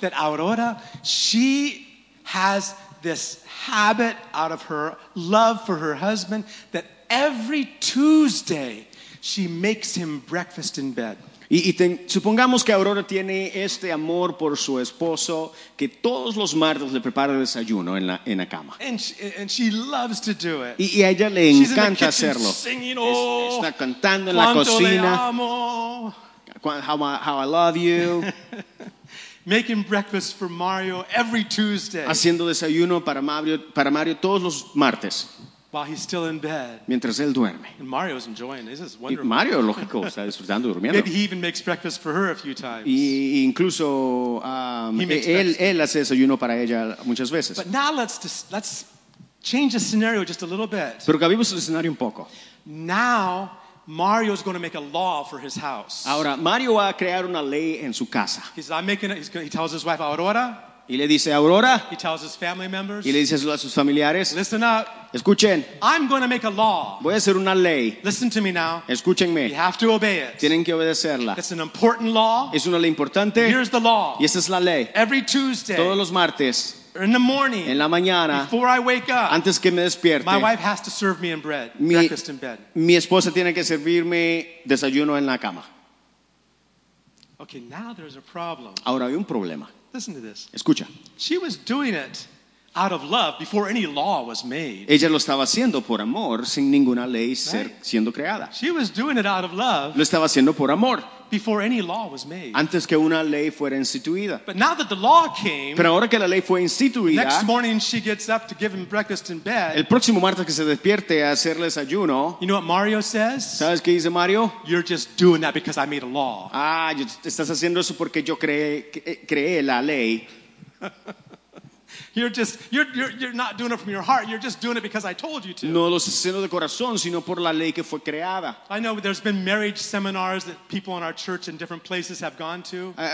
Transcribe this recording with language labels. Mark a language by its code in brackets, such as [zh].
[en] that Aurora, she has this habit out of her love for her husband that every Tuesday she makes him breakfast in bed. [es] Supongamos que Aurora tiene este amor por su esposo que todos los martes le prepara el desayuno en la cama. [en] And she loves to do it. [es] Y a ella le [en] She's [es] encanta [en] in the kitchen [es] hacerlo. [en] Singing, oh, [es] está cantando en la cocina. [en] How I love you. Making breakfast for Mario every Tuesday. [es] Haciendo desayuno para Mario todos los martes. [en] While he's still in bed. [es] Mientras él duerme. [en] And Mario's enjoying it. This is wonderful. [es] Y Mario, lógico, está disfrutando durmiendo. [en] Maybe he even makes breakfast for her a few times. [es] Y incluso él hace desayuno para ella muchas veces. [en] But now let's change the scenario just a little bit. [es] Pero cambiemos el escenario un poco. [en] Now Mario's going to make a law for his house. [es] Ahora Mario va a crear una ley en su casa. [en] He tells his wife Aurora. [es] Y le dice Aurora. [en] He tells his family members. [es] Y le dice a sus familiares. [en] Listen up. [es] Escuchen. [en] I'm going to make a law. [es] Voy a hacer una ley. [en] Listen to me now. [es] Escúchenme. [en] You have to obey it. [es] Tienen que obedecerla. [en] It's an important law. [es] Es una ley importante. [en] Here's the law. [es] Y esta es la ley. [en] Every Tuesday. [es] Todos los martes. [en] In the morning. [es] En la mañana. [en] Before I wake up. [es] Antes que me despierte. [en] My wife has to serve me in bread. Breakfast in bed. [es] Mi esposa tiene que servirme desayuno en la cama. [en] Okay, now there's a problem. [es] Ahora hay un problema. [en] Listen to this. [es] Escucha. [en] She was doing it out of love before any law was made. [es] Ella lo estaba haciendo por amor sin ninguna ley siendo creada. [en] She was doing it out of love. [es] Lo estaba haciendo por amor. [en] Before any law was made. [es] Antes que una ley fuera instituida. [en] But now that the law came. [es] Pero ahora que la ley fue instituida. [en] Next morning she gets up to give him breakfast in bed. [es] El próximo martes que se despierte a hacerle desayuno. [en] You know what Mario says? [es] ¿Sabes qué dice Mario? [en] You're just doing that because I made a law. [es] Ah, estás haciendo eso porque yo creé la ley. [en] You're not doing it from your heart. You're just doing it because I told you to. [es] No lo estás haciendo de corazón, sino por la ley que fue creada. [en] I know there's been marriage seminars that people in our church in different places have gone to.